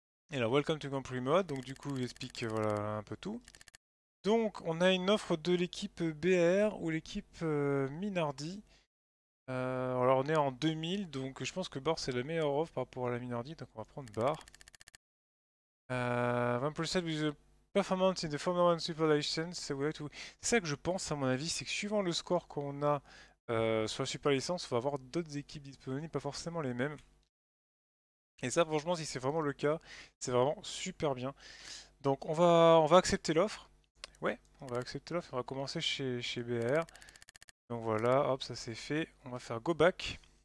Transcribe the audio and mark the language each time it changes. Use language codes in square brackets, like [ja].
[fr] Et là, [en] welcome to Compris Mode. [fr] Donc du coup, il explique voilà, un peu tout. Donc, on a une offre de l'équipe BR ou l'équipe Minardi. Alors, on est en 2000, donc je pense que BAR, c'est la meilleure offre par rapport à la Minardi. Donc, on va prendre BAR. [en] 20% with the performance in the Formula 1 Super License. [fr] C'est ça que je pense, à mon avis, c'est que suivant le score qu'on a sur la Super License, on va avoir d'autres équipes disponibles, pas forcément les mêmes. Et ça, franchement, si c'est vraiment le cas, c'est vraiment super bien. Donc, on va accepter l'offre. Ouais, on va accepter l'offre, on va commencer chez BR. Donc voilà, hop, ça c'est fait. On va faire go back.